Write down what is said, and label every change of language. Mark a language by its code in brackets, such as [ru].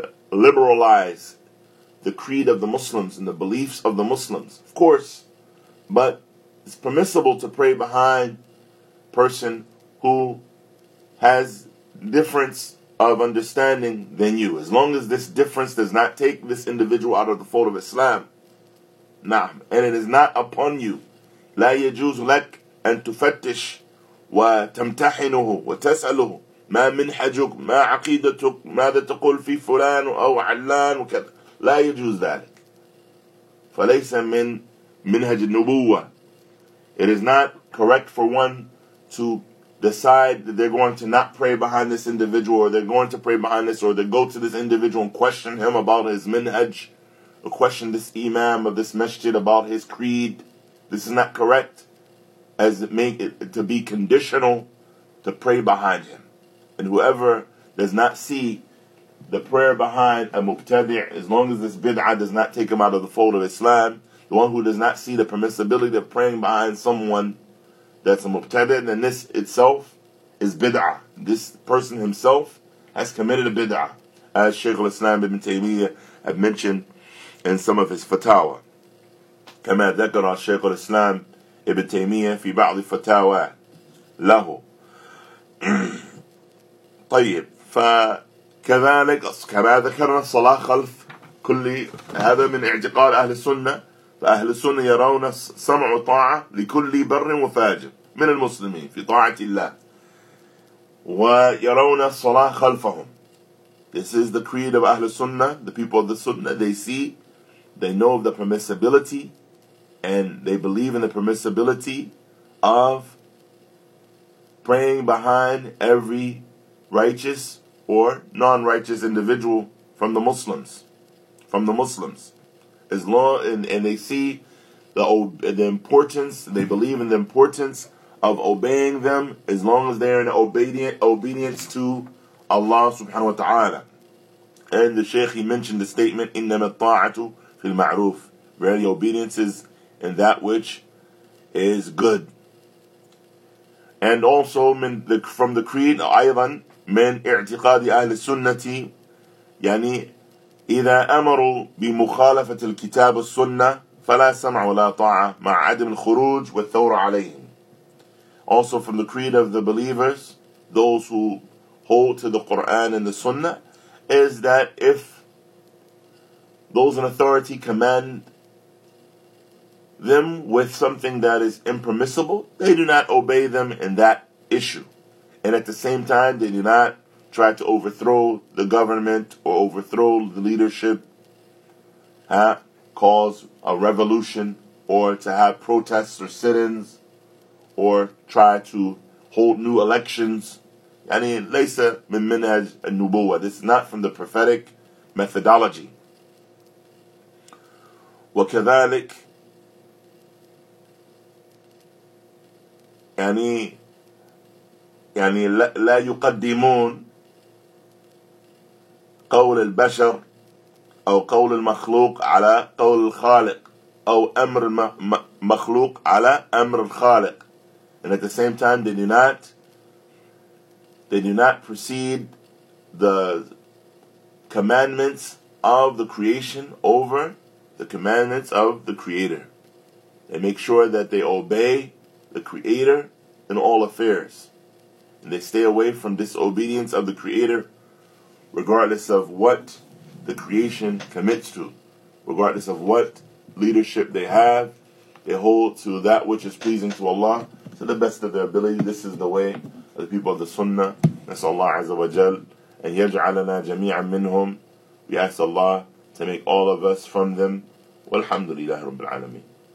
[en] liberalize the creed of the Muslims and the beliefs of the Muslims, of course, but it's permissible to pray behind a person who has difference of understanding than you, as long as this difference does not take this individual out of the fold of Islam. Nah, and it is not upon you. [ar] لا يجوز لك أن تفتش وتمتحنه وتسأله ما منحجك ما عقيدتك ماذا تقول في فلان أو علان وكذا. لا يجوز ذلك فليس من منهج النبوة. [en] It is not correct for one to decide that they're going to not pray behind this individual, or they're going to pray behind this, or they go to this individual and question him about his minhaj, or question this imam of this masjid about his creed. This is not correct, as it may to be conditional to pray behind him. And whoever does not see the prayer behind a mubtadi', as long as this bid'ah does not take him out of the fold of Islam, the one who does not see the permissibility of praying behind someone that's a mubtada, then this itself is bid'ah. This person himself has committed a bid'ah, as Shaykh al-Islam ibn Taymiyyah had mentioned in some of his fatawa. [ar] كما ذكر الشيخ الإسلام ابن تيمية في بعض فتاوى له. طيب فكذلك كما ذكرنا الصلاة خلف كل هذا من اعتقاد أهل السنة. فأهل السنة يرون سمع وطاعة لكل بر وفاجر من المسلمين في طاعة الله ويرون الصلاة خلفهم. [en] This is the creed of أهل السنة, the people of the Sunnah. They see, they know of the permissibility, and they believe in the permissibility of praying behind every righteous or non-righteous individual from the Muslims. As long and they see the importance, they believe in the importance of obeying them as long as they are in obedience to Allah subhanahu wa ta'ala. And the Shaykh, he mentioned the statement, [ar] إِنَّمَا الطَّاعَةُ فِي الْمَعْرُوفِ. [en] Verily, obedience is in that which is good. And also from the creed, [ar] أيضاً, من اعتقاد أهل السنة, يعني إذا أمروا بمخالفة الكتاب السنة فلا سمع ولا طاعة مع عدم الخروج والثورة عليهم. [en] Also from the creed of the believers, those who hold to the Quran and the Sunnah, is that if those in authority command them with something that is impermissible, they do not obey them in that issue. And at the same time, they do not try to overthrow the government or overthrow the leadership, cause a revolution, or to have protests or sit-ins, or try to hold new elections. [ar] يعني ليس من منهج النبوة. [en] This is not from the prophetic methodology. [ar] وكذلك يعني لا يقدمون قول البشر أو قول المخلوق على قول الخالق أو أمر المخلوق على أمر الخالق. [en] And at the same time, they do not precede the commandments of the creation over the commandments of the Creator. They make sure that they obey the Creator in all affairs. And they stay away from disobedience of the Creator, regardless of what the creation commits to, regardless of what leadership they have. They hold to that which is pleasing to Allah to the best of their ability. This is the way of the people of the Sunnah. [ar] نسأل الله عز وجل أن يجعلنا جميعا منهم. [en] We ask Allah to make all of us from them. [ar] والحمد لله رب العالمين.